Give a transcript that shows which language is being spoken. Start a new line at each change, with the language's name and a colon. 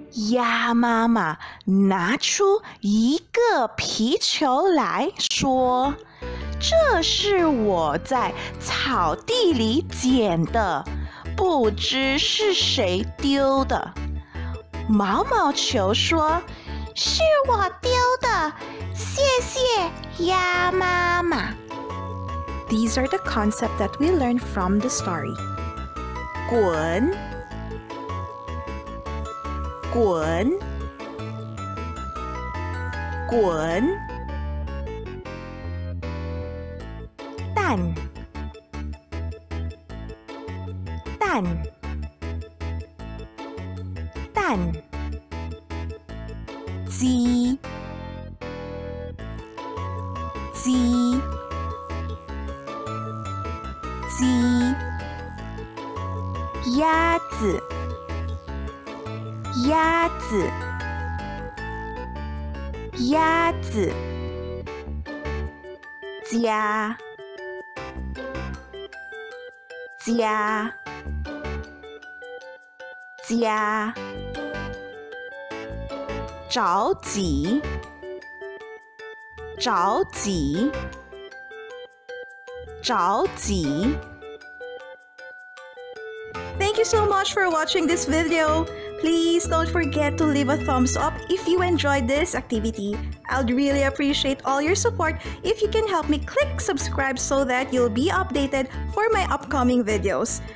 Chinese: 鸭妈妈拿出一个皮球来说，这是我在草地里捡的，不知是谁丢的。毛毛球说，是我丢的，谢谢鸭妈妈。
English: These are the concepts that we learned from the story.
Chinese: 滚滚滚，蛋蛋蛋，鸡鸡鸡，鸭子鸭子鸭子，家家家，着急着急着急。
English: Thank you so much for watching this video. Please don't forget to leave a thumbs up if you enjoyed this activity. I'd really appreciate all your support if you can help me click subscribe so that you'll be updated for my upcoming videos.